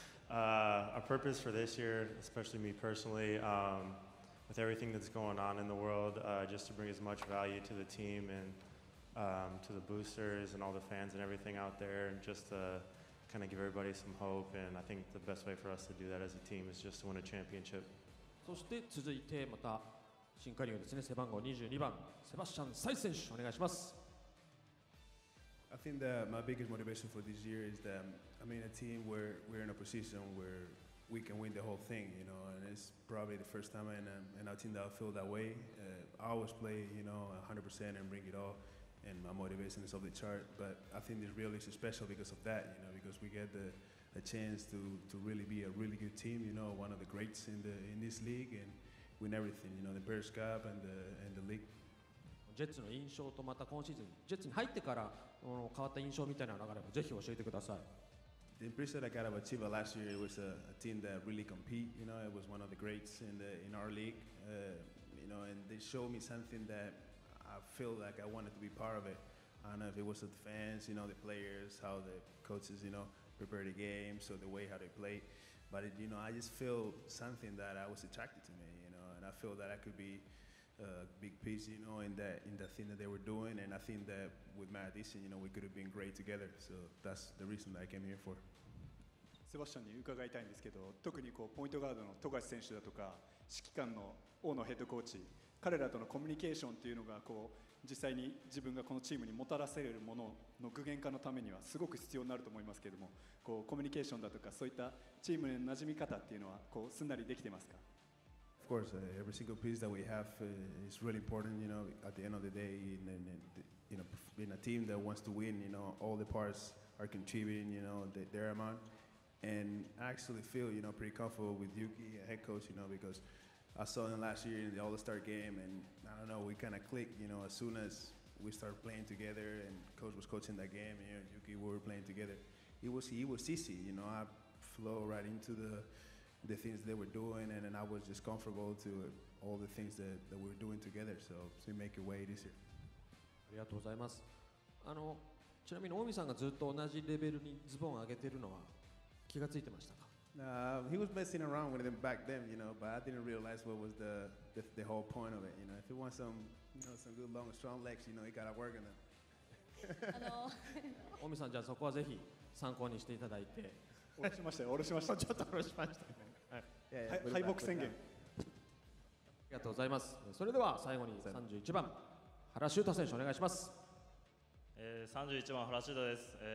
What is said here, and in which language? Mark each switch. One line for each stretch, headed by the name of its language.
English: our purpose for this year, especially me personally, with everything that's going on in the world, just to bring as much value to the team and to the boosters and all the fans and everything out there, and just to kind of give everybody some hope. And I think the best way for us to do that as a team is just to win a championship.
Japanese: そして続いてまた新加入ですね、背番号22番セバスチャン・サイス選手、お願いします。
English: I think that my biggest motivation for this year is that I'm in a team where we're in a position where we can win the whole thing, you know, and it's probably the first time in our team that I feel that way. I always play, you know, 100% and bring it all, and my motivation is off the chart. But I think this really is special because of that, you know, because we get a chance to really be a really good team, you know, one of the greats in this league, and win everything, you know, the Bears Cup and the league.
Japanese: ジェッツの印象とまた今シーズンジェッツに入ってから変わった印象みたいな流れもぜひ教えてください。
English: The impression I got about Chiba last year was a team that really compete. You know, it was one of the greats in our league. You know, and they showed me something that I feel like I wanted to be part of it. I don't know if it was the fans, you know, the players, how the coaches, you know, prepare the game, so the way how they play. But it, you know, I just feel something that I was attracted to me. You know, and I feel that I could be. Big piece, you know, in that thing that they were doing, and I think that with my addition, you know, we could have been great together. So that's the reason that I came here for.
Japanese: セバスチャンに伺いたいんですけど、特にこうポイントガードの富樫選手だとか、指揮官の大野ヘッドコーチ、彼らとのコミュニケーションっていうのがこう実際に自分がこのチームにもたらせるものの具現化のためにはすごく必要になると思いますけれども、こうコミュニケーションだとかそういったチームへの馴染み方っていうのはこうすんなりできてますか？
English: Of course, every single piece that we have is really important, you know, at the end of the day, in a team that wants to win, you know, all the parts are contributing, you know, their amount. And I actually feel, you know, pretty comfortable with Yuki, head coach, you know, because I saw him last year in the All-Star game, and I don't know, we kind of clicked, you know, as soon as we started playing together and coach was coaching that game, you know, Yuki, we were playing together. It was easy, you know, I flow right into the things they were doing, and I was just comfortable to all the things that we were doing together, so make your way easier.
Japanese: ありがとうございます。ちなみに大見さんがずっと同じレベルにズボンを上げているのは気がついてましたか？
English: He was messing around with them back then, you know, but I didn't realize what was the whole point of it. You know, if you want some, you know, some good long strong legs, you know, you gotta work on them.
Japanese: 大見さん、じゃあそこはぜひ参考にしていただいて。下ろしましたちょっと下ろしました敗北宣言ありがとうございます。それでは最後に31番原修太選手、お願いします。 31番原修太です。